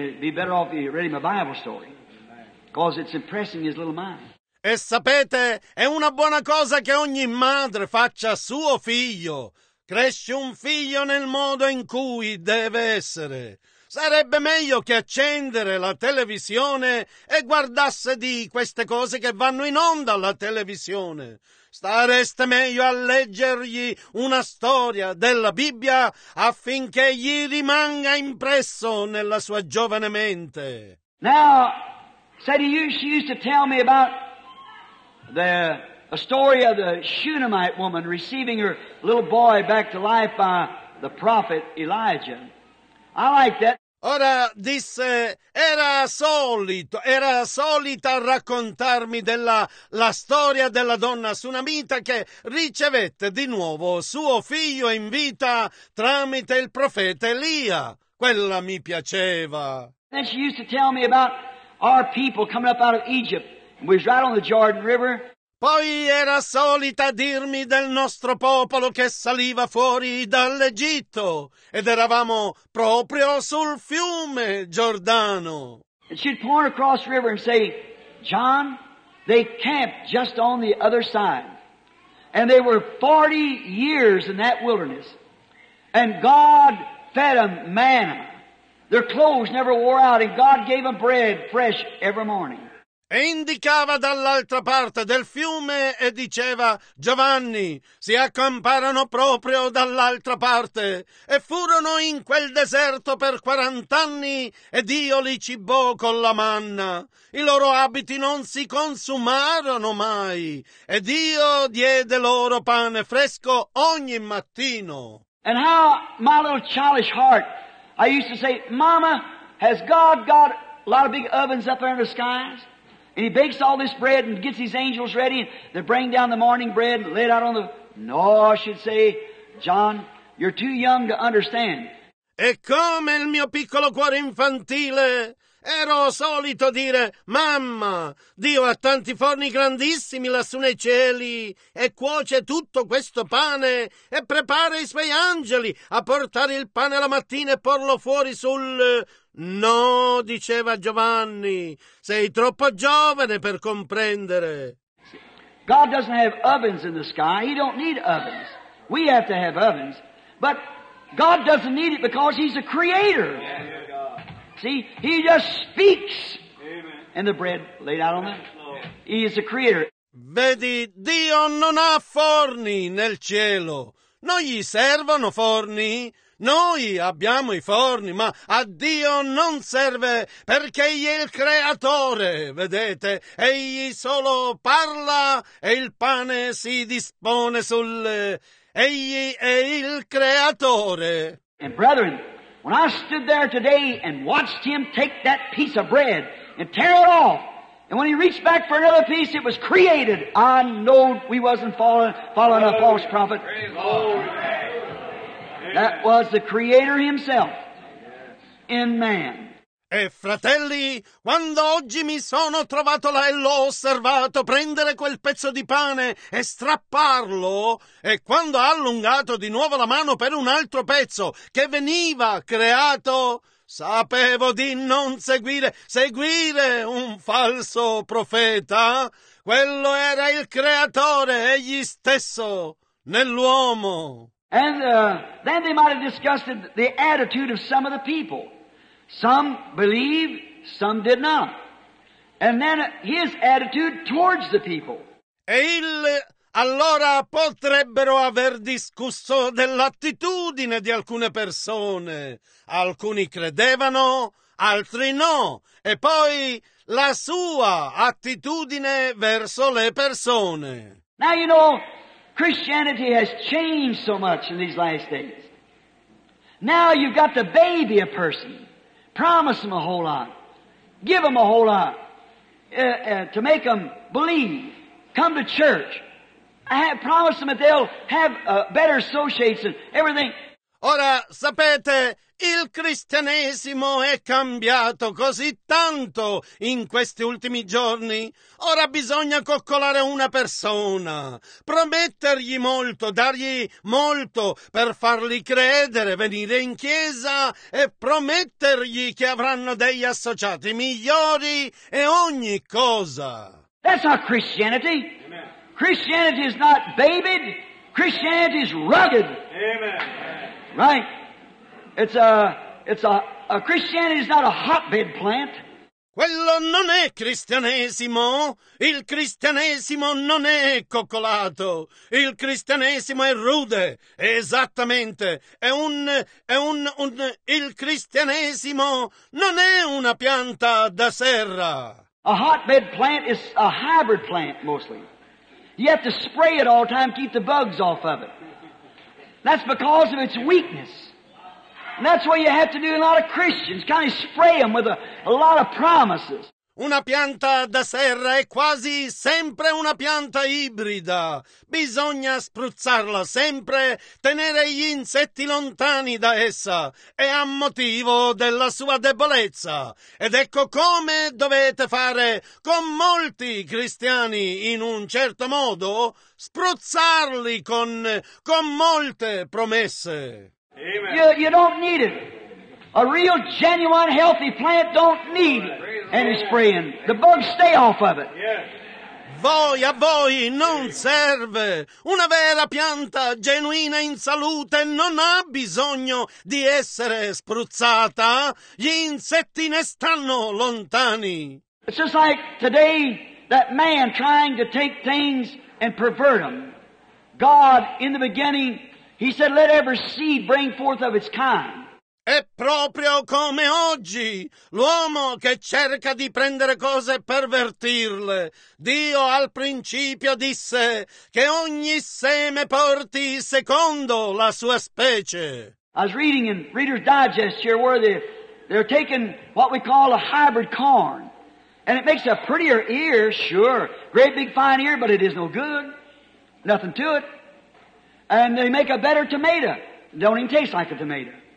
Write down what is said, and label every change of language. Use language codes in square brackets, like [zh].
[en] It'd be better off if you read him a Bible story. Because it's impressing his little mind. [it] E sapete, è una buona cosa che ogni madre faccia a suo figlio. Cresce un figlio nel modo in cui deve essere. Sarebbe meglio che accendere la televisione e guardasse di queste cose che vanno in onda alla televisione. Stareste meglio a leggergli una storia della Bibbia affinché gli rimanga impresso nella sua giovane mente. [en] Now, said you, she used to tell me about the... A story of the Shunammite woman receiving her little boy back to life by the prophet Elijah. I like that. [it] Ora disse, era solita raccontarmi della la storia della donna sunamita che ricevette di nuovo suo figlio in vita tramite il profeta Elia. Quella mi piaceva. [en] Then she used to tell me about our people coming up out of Egypt. We was right on the Jordan River. [it] Poi era solita dirmi del nostro popolo che saliva fuori dall'Egitto ed eravamo proprio sul fiume Giordano. [en] And she'd point across the river and say, John, they camped just on the other side. And they were 40 years in that wilderness. And God fed them manna. Their clothes never wore out and God gave them bread fresh every morning. [it] e indicava dall'altra parte del fiume e diceva: Giovanni, si accamparono proprio dall'altra parte e furono in quel deserto per 40 anni e Dio li cibò con la manna. I loro abiti non si consumarono mai e Dio diede loro pane fresco ogni mattino. [en] And how my little childish heart, I used to say, Mama, has God got a lot of big ovens up there in the skies? And he bakes all this bread and gets his angels ready, and they bring down the morning bread and lay it out on the... No, I should say, John, you're too young to understand. [it] E come il mio piccolo cuore infantile, ero solito dire, Mamma, Dio ha tanti forni grandissimi lassù nei cieli, e cuoce tutto questo pane, e prepara i suoi angeli a portare il pane la mattina e porlo fuori sul... No, diceva Giovanni, sei troppo giovane per comprendere. [en] God doesn't have ovens in the sky. He don't need ovens. We have to have ovens. But God doesn't need it because he's a creator. See, he just speaks. And the bread laid out on the... He is a creator. [it] Vedi, Dio non ha forni nel cielo. Non gli servono forni. Noi abbiamo i forni, ma a Dio non serve, perché egli è il creatore, vedete? Egli solo parla e il pane si dispone sul... Egli è il creatore. [en] And brethren, when I stood there today and watched him take that piece of bread and tear it off, and when he reached back for another piece, it was created. I know we wasn't following a false prophet. That was the Creator himself in man. [it] E fratelli, quando oggi mi sono trovato là e l'ho osservato prendere quel pezzo di pane e strapparlo, e quando ha allungato di nuovo la mano per un altro pezzo che veniva creato, sapevo di non seguire un falso profeta. Quello era il Creatore, egli stesso, nell'uomo. [en] And then they might have discussed the attitude of some of the people. Some believed, some did not. And then his attitude towards the people. [it] E allora potrebbero aver discusso dell'attitudine di alcune persone. Alcuni credevano, altri no. E poi la sua attitudine verso le persone. [en] Now you know, Christianity has changed so much in these last days. Now you've got to baby a person, promise them a whole lot, give them a whole lot, to make them believe, come to church, promise them that they'll have better associates and everything. [it] Ora, sapete, il cristianesimo è cambiato così tanto in questi ultimi giorni. Ora bisogna coccolare una persona, promettergli molto, dargli molto per fargli credere, venire in chiesa e promettergli che avranno degli associati migliori e ogni cosa. [en] That's not Christianity. Amen. Christianity is not babied. Christianity is rugged. Amen. Right? It's a Christianity is not a hotbed plant. [it] Quello non è cristianesimo. Il cristianesimo non è coccolato. Il cristianesimo è rude. Esattamente. È un il cristianesimo non è una pianta da serra. [en] A hotbed plant is a hybrid plant mostly. You have to spray it all the time to keep the bugs off of it. That's because of its weakness. And that's what you have to do in a lot of Christians. Kind of spray them with a lot of promises. [it] Una pianta da serra è quasi sempre una pianta ibrida. Bisogna spruzzarla sempre, tenere gli insetti lontani da essa. È a motivo della sua debolezza. Ed ecco come dovete fare con molti cristiani in un certo modo, spruzzarli con molte promesse. [en] Amen. You don't need it. A real, genuine, healthy plant don't need any spraying. The bugs stay off of it. [it] Voi, a voi, non serve. Una vera pianta genuina in salute non ha bisogno di essere spruzzata. Gli insetti ne stanno lontani. [en] It's just like today, that man trying to take things and pervert them. God, in the beginning, He said, let every seed bring forth of its kind. [it] È proprio come oggi, l'uomo che cerca di prendere cose e pervertirle. Dio al principio disse che ogni seme porti secondo la sua specie. [en] I was reading in Reader's Digest here where they're taking what we call a hybrid corn. And it makes a prettier ear, sure. Great big fine ear, but it is no good. Nothing to it. And they make a better tomato. Don't even taste like a tomato.